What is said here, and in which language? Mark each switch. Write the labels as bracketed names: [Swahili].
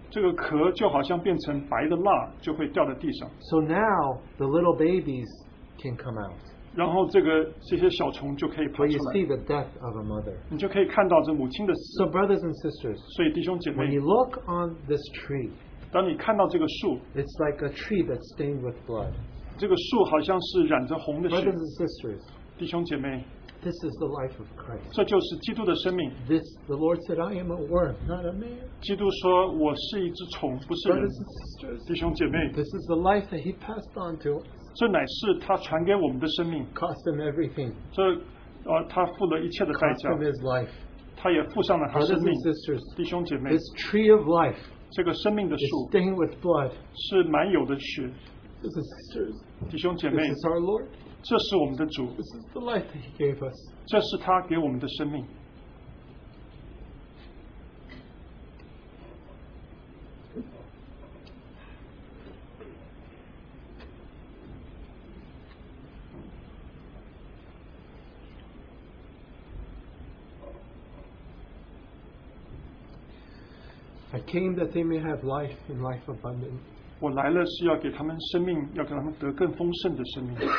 [English] So now the little babies can come out. But you see the death of a mother. So brothers and sisters, [Chinese] 所以弟兄姐妹, [English] when you look on this tree, [Chinese] 当你看到这个树, [English] it's like a tree that's stained with blood. [Chinese] 这个树好像是染着红的血. [English] Brothers and sisters, [Chinese] 弟兄姐妹, [English] this is the life of Christ. [Chinese] 这就是基督的生命. [English] The Lord said, I am a worm, not a man. [Chinese] 基督说我是一只虫, 不是人. [English] Brothers and sisters, [Chinese] 弟兄姐妹, [English] this is the life that he passed on to us. [Chinese] 这乃是他传给我们的生命, [English] cost him everything. [Chinese] 他付了一切的代价, [English] cost him his life. [Chinese] 他也付上了他生命, [English] brothers and sisters, [Chinese] 弟兄姐妹, [English] this tree of life, [Chinese] 这个生命的树, [English] is stained with blood. [Chinese] 是满有的血, [English] brothers and sisters, [Chinese] 弟兄姐妹, [English] this is our Lord. [Chinese] 这是我们的主, [English] this is the life that he gave us. [Chinese] 这是他给我们的生命. [English] I came that they may have life and life abundant. [Chinese] 我来了是要给他们生命, 要给他们得更丰盛的生命。